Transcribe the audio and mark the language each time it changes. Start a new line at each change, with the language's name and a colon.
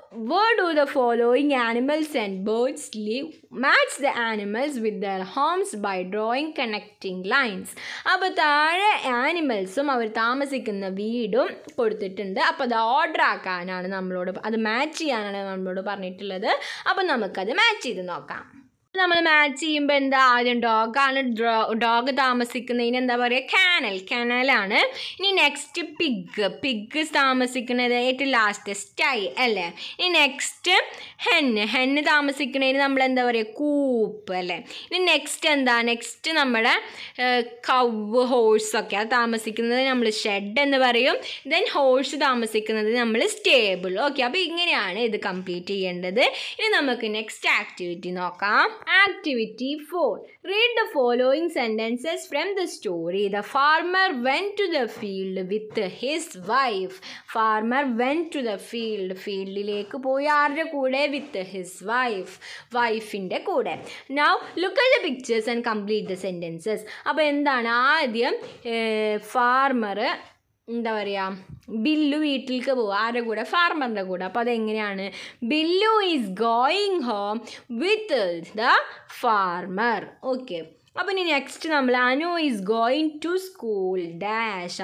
English: Where do the following animals and birds live? Match the animals with their homes by drawing connecting lines.
Malayalam: അപ്പോൾ താഴെ ആനിമൽസും അവർ താമസിക്കുന്ന വീടും കൊടുത്തിട്ടുണ്ട്. അപ്പോൾ അത് ഓർഡർ ആക്കാനാണ് നമ്മളോട്, അത് മാച്ച് ചെയ്യാനാണ് നമ്മളോട് പറഞ്ഞിട്ടുള്ളത്. അപ്പോൾ നമുക്കത് മാച്ച് ചെയ്ത് നോക്കാം. നമ്മൾ മാച്ച് ചെയ്യുമ്പോൾ എന്താ, ആദ്യം ഡോഗാണ്, ഡോഗ് താമസിക്കുന്നതിന് എന്താ പറയുക, കാനലാണ്. ഇനി നെക്സ്റ്റ് പിഗ്, പിഗ് താമസിക്കുന്നത് ഏറ്റവും ലാസ്റ്റ് സ്റ്റൈ അല്ലേ. ഇനി നെക്സ്റ്റ് ഹെൻ താമസിക്കുന്നതിന് നമ്മൾ എന്താ പറയുക, കൂപ്പ് അല്ലേ. ഇനി നെക്സ്റ്റ് എന്താ, നെക്സ്റ്റ് നമ്മുടെ കവ് ഹോഴ്സൊക്കെ താമസിക്കുന്നത് നമ്മൾ ഷെഡ് എന്ന് പറയും. ദെൻ ഹോഴ്സ് താമസിക്കുന്നത് നമ്മൾ സ്റ്റേബിൾ. ഓക്കെ, അപ്പോൾ ഇങ്ങനെയാണ് ഇത് കംപ്ലീറ്റ് ചെയ്യേണ്ടത്. ഇനി നമുക്ക് നെക്സ്റ്റ് ആക്ടിവിറ്റി നോക്കാം.
English: Activity 4. Read the following sentences from the story. The farmer went to the field with his wife. Farmer went to the field.
Malayalam: Fieldilekku poi aarude koode,
English: with his wife.
Malayalam: Wife inde koode.
English: Now look at the pictures and complete the sentences.
Malayalam: Appo endana aadyam farmer എന്താ പറയുക, ബില്ലു വീട്ടിലേക്ക് പോവുക ആരുടെ കൂടെ, ഫാർമറിൻ്റെ കൂടെ. അപ്പോൾ അതെങ്ങനെയാണ്,
English: Billu is going home with the farmer.
Malayalam: Okay, അപ്പോൾ ഇനി നെക്സ്റ്റ് നമ്മൾ
English: Anu is going to school dash.